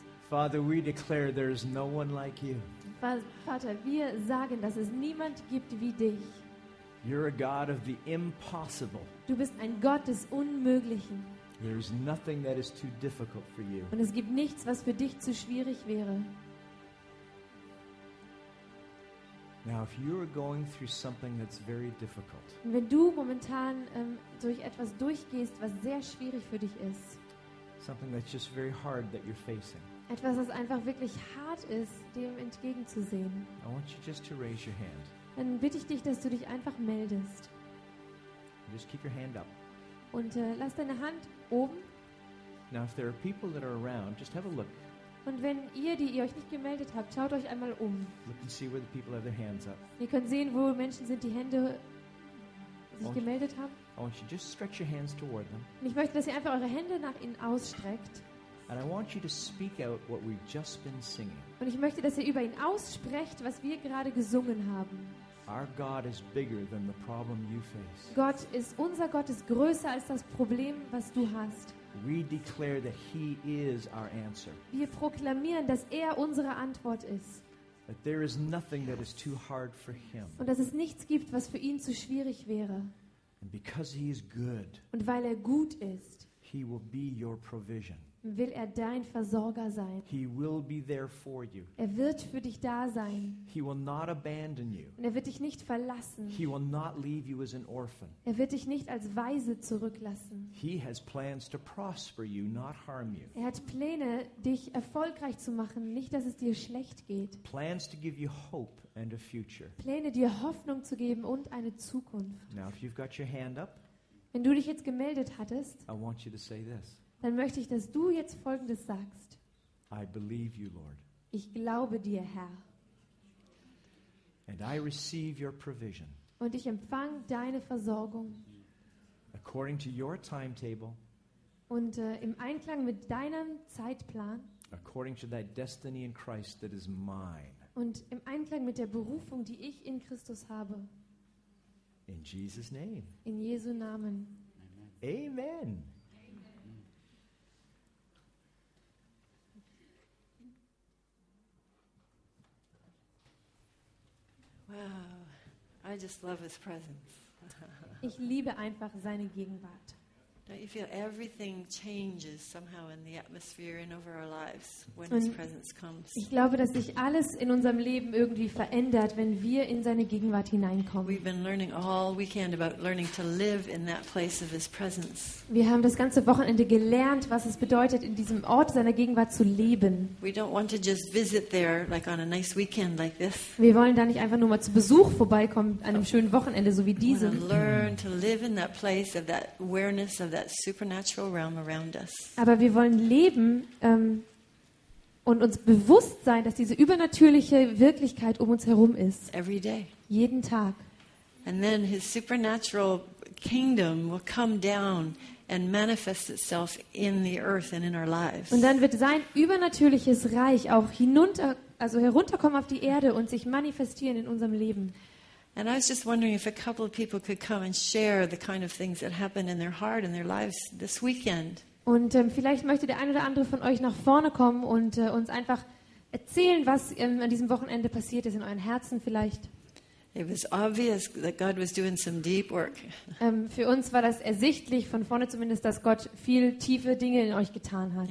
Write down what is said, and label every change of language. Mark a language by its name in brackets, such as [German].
[English] Father, we declare there is no one like you. [German] Vater, wir sagen, dass es niemand gibt wie dich. [English] You're a God of the impossible. [German] Du bist ein Gott des Unmöglichen. [English] There is nothing that is too difficult for you. [German] Und es gibt nichts, was für dich zu schwierig wäre. [English] Now, if you are going through something that's very difficult. [German] Wenn du momentan durch etwas durchgehst, was sehr schwierig für dich ist. [English] Something that's just very hard that you're facing. [German] Etwas, das einfach wirklich hart ist, dem entgegenzusehen. [English] I want you just to raise your hand. [German] Dann bitte ich dich, dass du dich einfach meldest. [English] Just keep your hand up. [German] Und lass deine Hand oben. [English] Now, if there are people that are around, just have a look. [German] Und wenn ihr, die ihr euch nicht gemeldet habt, schaut euch einmal um. [English] Look and see where the people have their hands up. [German] Ihr könnt sehen, wo Menschen sind, die Hände sich gemeldet haben. [English] I want you to just stretch your hands toward them. [German] Und ich möchte, dass ihr einfach eure Hände nach ihnen ausstreckt. [English] And I want you to speak out what we've just been singing. [German] Und ich möchte, dass ihr über ihn aussprecht, was wir gerade gesungen haben. [English] Our God is bigger than the problem you face. [German] Gott ist, unser Gott ist größer als das Problem, was du hast. [English] We declare that he is our answer. [German] Wir proklamieren, dass er unsere Antwort ist. [English] That there is nothing that is too hard for him. [German] Und dass es nichts gibt, was für ihn zu schwierig wäre. [English] And because he is good. [German] Und weil er gut ist. [English] He will be your provision. [German] Will er dein Versorger sein. [English] He will be there for you. [German] Er wird für dich da sein. [English] He will not abandon you. [German] Und er wird dich nicht verlassen. [English] He will not leave you as an orphan. [German] Er wird dich nicht als Waise zurücklassen. [English] He has plans to prosper you, not harm you. [German] Er hat Pläne, dich erfolgreich zu machen, nicht dass es dir schlecht geht. [English] Plans to give you hope and a future. [German] Pläne, dir Hoffnung zu geben und eine Zukunft. [English] Now, if you've got your hand up, [German] wenn du dich jetzt gemeldet hattest, [English] I want you to say this. [German] Dann möchte ich, dass du jetzt Folgendes sagst. [English] I believe you, Lord. [German] Ich glaube dir, Herr. [English] And I receive your provision. [German] Und ich empfange deine Versorgung. [English] According to your timetable. [German] Und im Einklang mit deinem Zeitplan. [English] According to that destiny in Christ that is mine. [German] Und im Einklang mit der Berufung, die ich in Christus habe. [English] In Jesus' name. [German] In Jesu Namen. [English] Amen. Amen. Wow, I just love his presence. [German] Ich liebe einfach seine Gegenwart. [English] Don't you feel everything changes somehow in the atmosphere and over our lives when his presence comes? [German] Ich glaube, dass sich alles in unserem Leben irgendwie verändert, wenn wir in seine Gegenwart hineinkommen. [English] We've been learning all weekend about learning to live in that place of his presence. [German] Wir haben das ganze Wochenende gelernt, was es bedeutet, in diesem Ort seiner Gegenwart zu leben. [English] We don't want to just visit there like on a nice weekend like this. [German] Wir wollen da nicht einfach nur mal zu Besuch vorbeikommen an einem schönen Wochenende so wie diesem. [English] Learn to live in that place of that awareness of that supernatural realm around us. [German] Aber wir wollen leben und uns bewusst sein, dass diese übernatürliche Wirklichkeit um uns herum ist. [English] Every day. [German] Jeden Tag. [English] And then his supernatural kingdom will come down and manifest itself in the earth and in our lives. [German] Und dann wird sein übernatürliches Reich auch hinunter, also herunterkommen auf die Erde und sich manifestieren in unserem Leben. [English] And I was just wondering if a couple of people could come and share the kind of things that happened in their heart and their lives this weekend. [German] Und vielleicht möchte der ein oder andere von euch nach vorne kommen und uns einfach erzählen, was an diesem Wochenende passiert ist in euren Herzen vielleicht. [English] It was obvious that God was doing some deep work. [German] Für uns war das ersichtlich von vorne zumindest, dass Gott viel tiefe Dinge in euch getan hat.